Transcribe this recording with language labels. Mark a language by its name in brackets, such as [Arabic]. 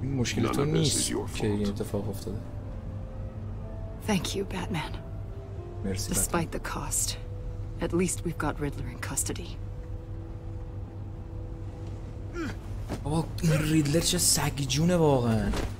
[Persian] مشکل تو نیست که این اتفاق افتاده. [English] Thank you, Batman. [Persian] مرسی. [English] Despite the cost, at least we've got Riddler in custody. [Persian] آقا این ریدلر چه سگی جونه واقعا.